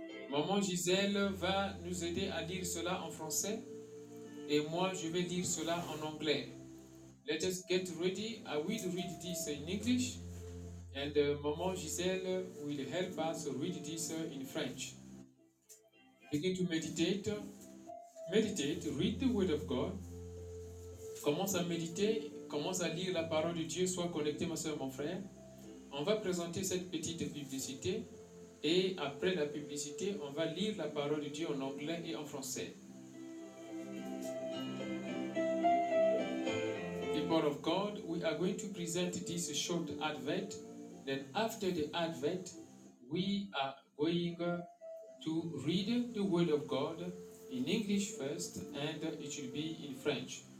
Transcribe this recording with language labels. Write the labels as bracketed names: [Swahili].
[French] Maman Gisèle va nous aider à lire cela en français et moi je vais lire cela en anglais. [English] Let us get ready. I will read this in English and Maman Gisèle will help us read this in French. Begin to meditate. Meditate, read the word of God. [French] Commence à méditer, commence à lire la parole de Dieu, sois connecté ma soeur, mon frère. On va présenter cette petite publicité. Et après la publicité, on va lire la parole de Dieu en anglais et en français. [English] The word of God, we are going to present this short advent. Then after the advent, we are going to read the word of God in English first and it will be in French.